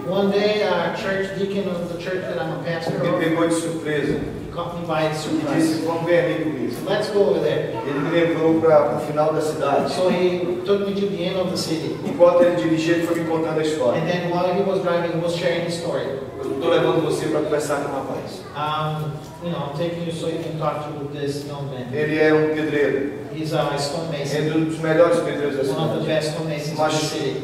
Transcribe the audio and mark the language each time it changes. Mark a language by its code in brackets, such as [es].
[en] One day a church deacon of the church that I'm a pastor of. [pt] Me pegou de surpresa. [en] He caught me by surprise. [pt] E disse, vamos ver ali comigo. [en] Let's go over there. [pt] Ele me levou para o final da cidade. [en] So he took me to the end of the city. [pt] Enquanto ele dirigia, ele foi me contando a história. [en] And then while he was driving, he was sharing his story. [pt] estou levando você para conversar com o rapaz. [en] I'm taking you so you can talk to this young man. [pt] Ele é um pedreiro. [en] He's a stonemason. [pt] É dos melhores pedreiros da cidade. [en] One of the best stonemasons in the city.